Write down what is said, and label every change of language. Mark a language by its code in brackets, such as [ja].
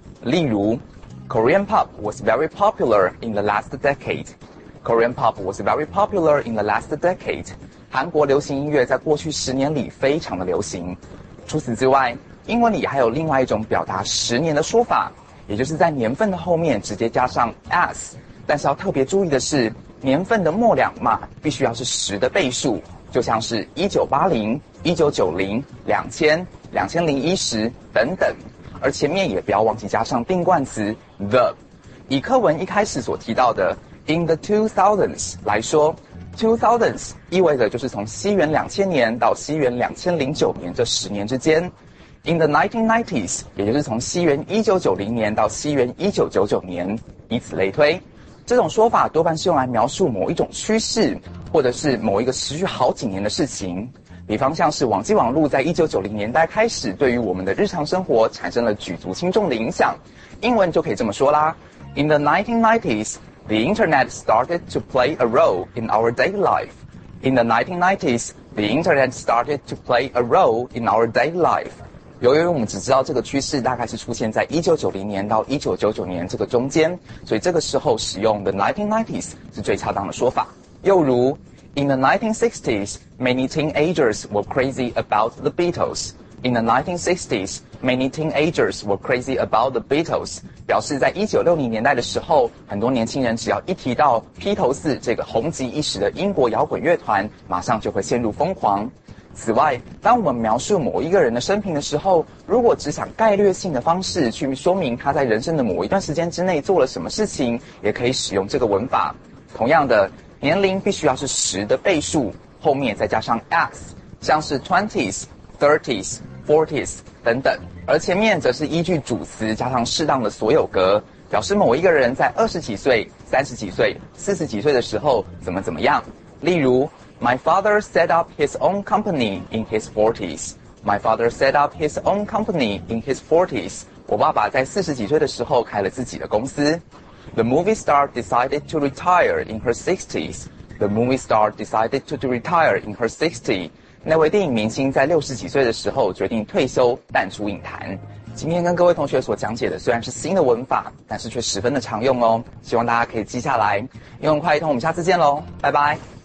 [zh] 例如 [en] Korean pop was very popular in the last decade. Korean pop was very popular in the last decade. [zh] 韩国流行音乐在过去十年里非常的流行。除此之外，英文里还有另外一种表达十年的说法，也就是在年份的后面直接加上 s, 但是要特别注意的是，年份的末两码必须要是十的倍数，就像是1980 1990 2000 2010等等，而前面也不要忘记加上定冠词 the。以课文一开始所提到的 in the 2000s 来说， 2000s 意味着就是从西元2000年到西元2009年这十年之间。 [en] In the 1990s, [zh] 也就是从西元1990年到西元1999年，以此类推。这种说法多半是用来描述某一种趋势，或者是某一个持续好几年的事情。比方像是网际网络在1990年代开始对于我们的日常生活产生了举足轻重的影响。英文就可以这么说啦。 [en] In the 1990s, the internet started to play a role in our daily life. In the 1990s, the internet started to play a role in our daily life. [zh] 由于我们只知道这个趋势大概是出现在1990年到1999年这个中间，所以这个时候使用 the 1990s 是最恰当的说法。又如 [en] In the 1960s, many teenagers were crazy about the Beatles. In the 1960s, many teenagers were crazy about the Beatles. [zh] 表示在1960年代的时候，很多年轻人只要一提到披头士这个红极一时的英国摇滚乐团，马上就会陷入疯狂。此外，当我们描述某一个人的生平的时候，如果只想概略性的方式去说明他在人生的某一段时间之内做了什么事情，也可以使用这个文法。同样的，年龄必须要是十的倍数，后面再加上 s, 像是 20s, 30s, 40s 等等，而前面则是依据主词加上适当的所有格，表示某一个人在二十几岁、三十几岁、四十几岁的时候怎么怎么样。例如 [en] My father set up his own company in his 40s. My father set up his own company in his 40s. [zh] 我爸爸在四十几岁的时候开了自己的公司。 [en] The movie star decided to retire in her 60s. The movie star decided to retire in her 60s. [zh] 那位电影明星在六十几岁的时候决定退休，淡出影坛。今天跟各位同学所讲解的虽然是新的文法，但是却十分的常用哦。希望大家可以记下来。英文快一通，我们下次见咯，拜拜。